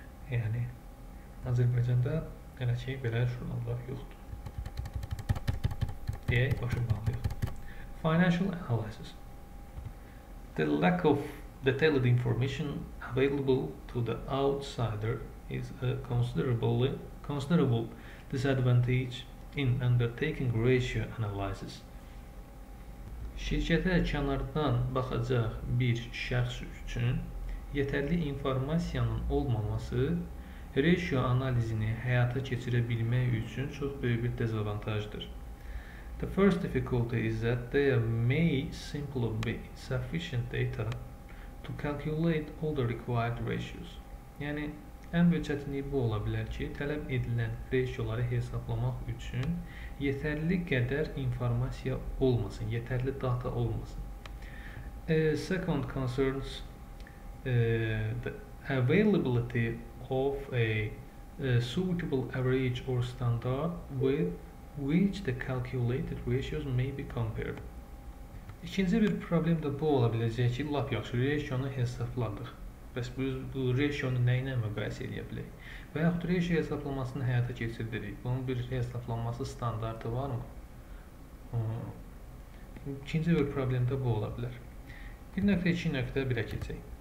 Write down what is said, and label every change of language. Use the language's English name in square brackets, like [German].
[Azerbaijani] Yani Azərbaycanda belə şey, belə jurnallar yoxdur, deyə başa bağlıyıq. [English] Financial analysis. The lack of detailed information available to the outsider is a considerable disadvantage in undertaking ratio analysis. [Azerbaijani] Şirkətə kənardan baxacaq bir şəxs üçün yetərli informasiyanın olmaması ratio analizini həyata keçirə bilmək üçün çox böyük bir dezavantajdır. [English] The first difficulty is that there may simply be sufficient data to calculate all the required ratios. [Azerbaijani] Yəni, ən böyük çətinliyi bu ola bilər ki, tələb edilən ratioları hesablamaq üçün yetərli qədər informasiya olmasın, yetərli data olmasın. [English] Second concerns the availability of a suitable average or standard with which the calculated ratios may be compared. [Azerbaijani] İkinci bir problem də bu ola biləcək ki, lap yaxşı ratio-nu hesabladıq. Bəs bu ratio-nu nəyinə müqayisə edə bilək? Və yaxud ratio hesablamasını həyata keçirdirik. Bunun bir hesablanması standardı var mı? İkinci bir problem də bu ola bilər. 1.2 nöqtə 1-ə keçək.